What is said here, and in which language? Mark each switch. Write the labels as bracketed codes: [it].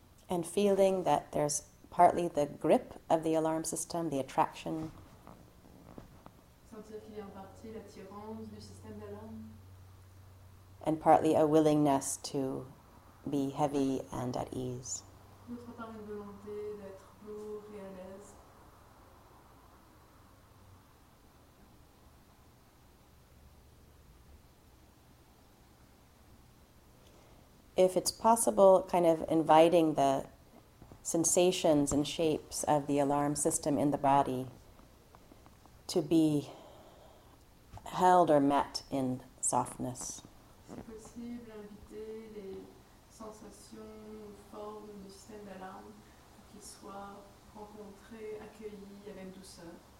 [en] And feeling that there's partly the grip of the alarm system, the attraction. [fr] Sentir qu'il y a en partie l'attirance du système d'alarme. [en] And partly a willingness to be heavy and at ease. [fr] D'autre part, une volonté d'être lourd et à l'aise. [en] If it's possible, kind of inviting the sensations and shapes of the alarm system in the body to be held or met in softness. [fr] C'est possible d'inviter les sensations ou formes du système d'alarme pour qu'ils soient rencontrés, accueillis avec douceur.